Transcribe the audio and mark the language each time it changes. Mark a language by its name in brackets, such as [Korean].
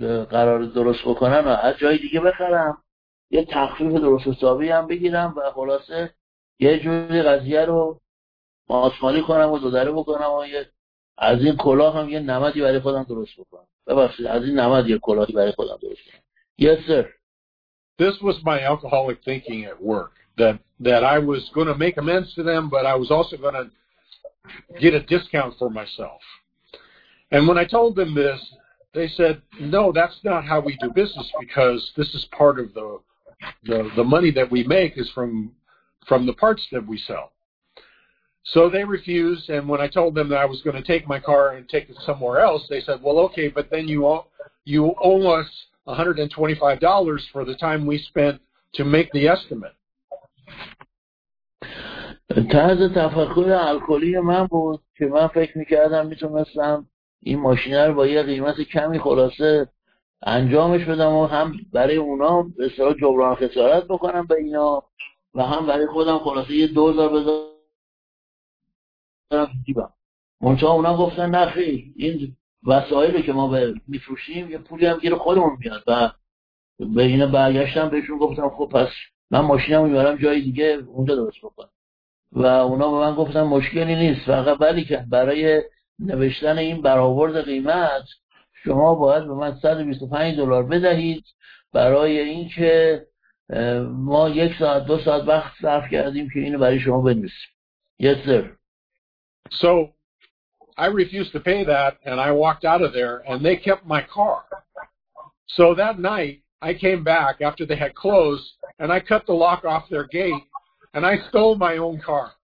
[Persian] قرار درست بکنن و از جای دیگه بخرم، یه تخفیف درست حسابی هم بگیرم و خلاصه یه جوری قضیه رو ماسمالی کنم و دودره بکنم و از این کلاه هم یه نمدی برای خودم درست بکنم. ببخشید، از این نمد یه کلاهی برای خودم درست بکنم. [English] Yes sir. This was my alcoholic thinking at work, that I was going to make amends to them, but I was also going to get a discount for myself. And when I told them this, they said, no, that's not how we do business, because this is part of the money that we make is from the parts that we sell. So they refused, and when I told them that I was going to take my car and take it somewhere else, they said, well, okay, but then you owe us $125 for the time we spent to make the estimate. [Persian] طرز تفکر الکلی من بود که من فکر میکردم میتونستم این ماشین رو با یه قیمت کمی خلاصه انجامش بدم و هم برای اونا به اصطلاح جبران خسارت بکنم به اینا و هم برای خودم خلاصه یه دلار بذارم جیبم. منتها اونا گفتن نه خیر، این وسایلی که ما میفروشیم یه پولی هم گیر خودمون میاد. و به اینا برگشتم بهشون گفتم خب پس من ماشینم رو میبرم جای دیگه اونجا درست بکنم. و اونا به من گفتن مشکلی نیست، فقط ولی که برای نوشتن این برآورد قیمت شما باید به من $125 بدهید برای اینکه ما یک ساعت دو ساعت وقت صرف کردیم که اینو برای شما بنویسیم. [English] Yes sir. So I refused to pay that and I walked out of there and they kept my car. So that night I came back after they had closed and I cut the lock off their gate and I stole my own car.